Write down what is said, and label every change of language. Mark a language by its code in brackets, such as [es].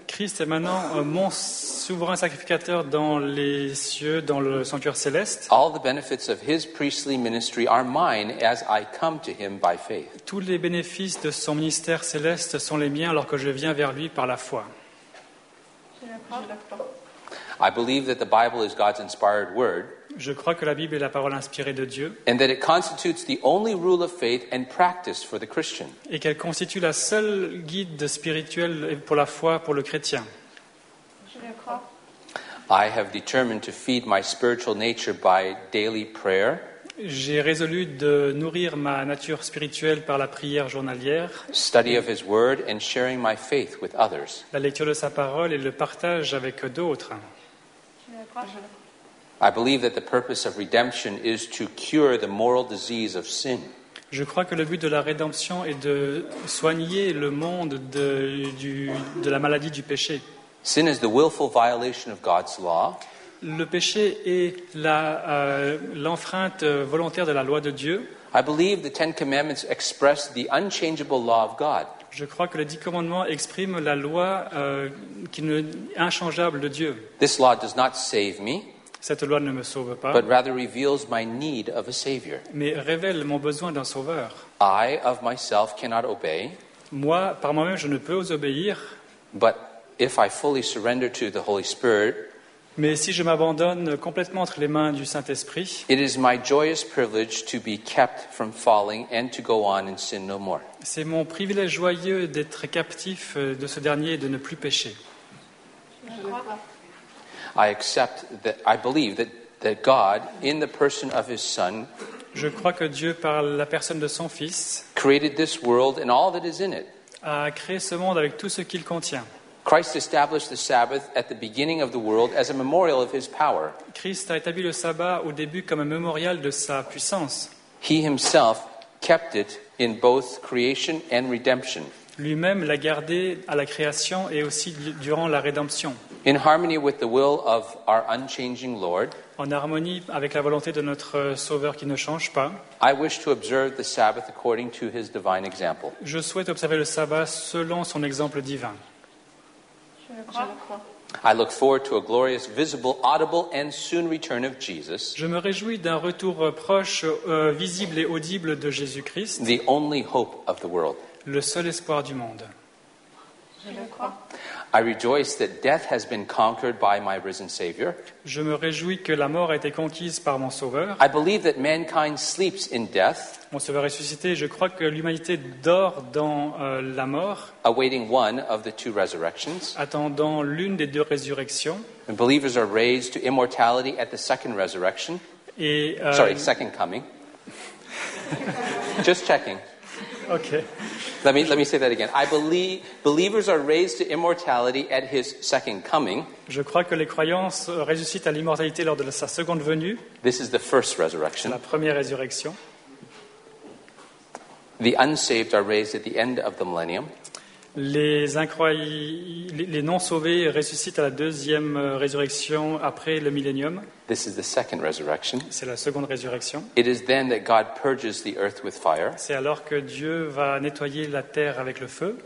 [fr] Christ est maintenant mon souverain sacrificateur dans les cieux, dans le sanctuaire céleste. [en] All the benefits of His priestly ministry are mine as I come to Him by faith. [fr] Tous les bénéfices de son ministère céleste sont les miens alors que je viens vers lui par la foi. [en] I believe that the Bible is God's inspired word. [fr] Je crois que la Bible est la parole inspirée de Dieu. [en] And that it constitutes the only rule of faith and practice for the Christian. [fr] Et qu'elle constitue la seule guide spirituelle pour la foi pour le chrétien. Je crois. [en] I have determined to feed my spiritual nature by daily prayer. [fr] J'ai résolu de nourrir ma nature spirituelle par la prière journalière. [en] Study of His word and sharing my faith with others. [fr] La lecture de sa parole et le partage avec d'autres. [en] I believe that the purpose of redemption is to cure the moral disease of sin. [fr] Je crois que le but de la rédemption est de soigner le monde de la maladie du péché. [en] Sin is the willful violation of God's law. [fr] Le péché est l'empreinte volontaire de la loi de Dieu. [en] I believe the Ten Commandments express the unchangeable law of God. [fr] Je crois que les 10 commandements expriment la loi qui est inchangeable de Dieu. [en] This law does not save me. [fr] Cette loi ne me sauve pas. [en] But rather reveals my need of a savior. [fr] Mais révèle mon besoin d'un sauveur. [en] I of myself cannot obey. [fr] Moi, par moi-même, je ne peux obéir. [en] But if I fully surrender to the Holy Spirit. [fr] Mais si je m'abandonne complètement entre les mains du Saint-Esprit, [en] it is my joyous privilege to be kept from falling and to go on and sin no more. [fr] C'est mon privilège joyeux d'être captif de ce dernier et de ne plus pécher. [en] I accept that I believe that God in the person of his son. [fr] Je crois que Dieu par la personne de son fils [en] created this world and all that is in it. [fr] a créé ce monde avec tout ce qu'il contient. [en] Christ established the Sabbath at the beginning of the world as a memorial of his power. [fr] Christ a établi le sabbat au début comme un mémorial de sa puissance. [en] He himself kept it in both creation and redemption. [fr] Lui-même l'a gardé à la création et aussi durant la rédemption. [en] In harmony with the will of our unchanging Lord. [fr] En harmonie avec la volonté de notre Sauveur qui ne change pas. [en] I wish to observe the Sabbath according to his divine example. [fr] Je souhaite observer le sabbat selon son exemple divin. [en] I look forward to a glorious, visible, audible, and soon return of Jesus. [fr] Je me réjouis d'un retour proche, visible et audible de Jésus-Christ. [en] The only hope of the world. [fr] Le seul espoir du monde. [en] I rejoice that death has been conquered by my risen Savior. [fr] Je me réjouis que la mort a été conquise par mon Sauveur. [en] I believe that mankind sleeps in death. [fr] Mon Sauveur ressuscité, je crois que l'humanité dort dans la mort. [en] Awaiting one of the two resurrections. [fr] Attendant l'une des deux résurrections. [en] And believers are raised to immortality at the second resurrection. Second coming. Just checking. Okay. Let me say that again. I believe believers are raised to immortality at his second coming. [fr] Je crois que les croyants ressuscitent à l'immortalité lors de sa seconde venue. [en] This is the first resurrection. [fr] La première résurrection. [en] The unsaved are raised at the end of the millennium. [fr] Les non sauvés ressuscitent à la deuxième résurrection après le millénium. [en] This is the second resurrection. [fr] C'est la seconde résurrection. [en] It is then that God purges the earth with fire. [fr] C'est alors que Dieu va nettoyer la terre avec le feu.